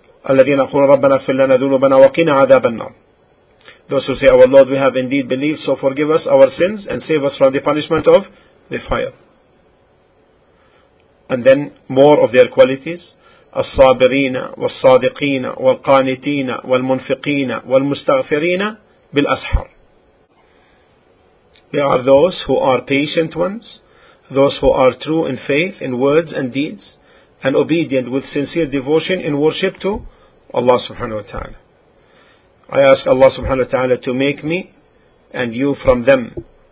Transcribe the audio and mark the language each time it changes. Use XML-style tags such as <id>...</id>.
<ar>الذين يقولون ربنا اغفر لنا ذنوبنا وقنا عذاب النار.</ar> <en>Those who say, our Lord, we have indeed believed, so forgive us our sins and save us from the punishment of the fire. And then more of their qualities.</en> <ar>الصابرين والصادقين والقانتين والمنفقين والمستغفرين بالأسحار.</ar> <en>They are those who are patient ones, those who are true in faith, in words and deeds, and obedient with sincere devotion in worship to Allah subhanahu wa ta'ala. I ask Allah subhanahu wa ta'ala to make me and you from them.</en>